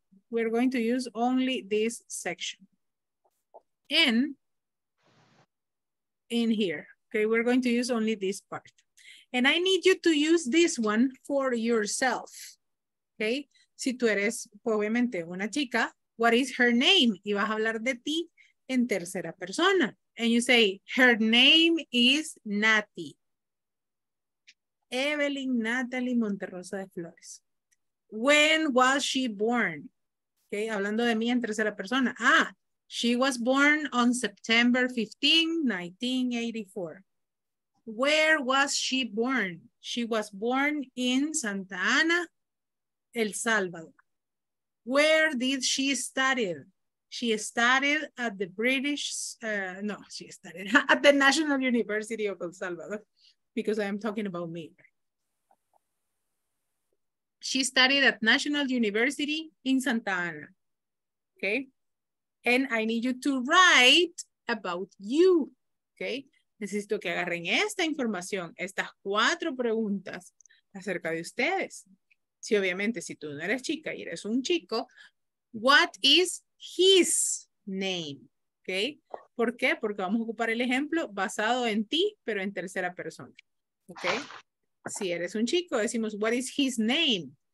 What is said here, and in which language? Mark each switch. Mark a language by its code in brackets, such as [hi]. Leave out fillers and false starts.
[en] We're going to use only this section. And in here, okay? We're going to use only this part. And I need you to use this one for yourself, okay? [es] Si tú eres, obviamente, una chica, [en] what is her name? [es] Y vas a hablar de ti en tercera persona. [en] And you say, her name is Nati. Evelyn Natalie Monterrosa de Flores. When was she born? Okay, [es] hablando de mí en tercera persona. [en] Ah, she was born on September 15, 1984. Where was she born? She was born in Santa Ana, El Salvador. Where did she study? She studied at the National University of El Salvador, because I am talking about me. She studied at National University in Santa Ana, okay? And I need you to write about you, okay? [es] Necesito que agarren esta información, estas cuatro preguntas acerca de ustedes. Si obviamente, si tú no eres chica y eres un chico, [en] what is his name, okay? [es] ¿Por qué? Porque vamos a ocupar el ejemplo basado en ti, pero en tercera persona, okay? Si eres un chico, decimos, [en] what is his name?